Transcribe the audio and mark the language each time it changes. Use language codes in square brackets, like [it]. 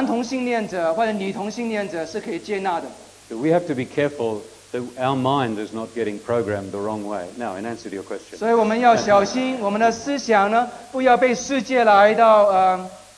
[zh] 因为这个英语我的妻子或者丈夫的字眼改成partner的时候，就让世人能够很容易的就说男同性恋者或者女同性恋者是可以接纳的。 [en] So we have to be careful that our mind is not getting programmed the wrong way. Now, in answer to your question. [zh] 所以我们要小心, 我们的思想呢, 不要被世界来到,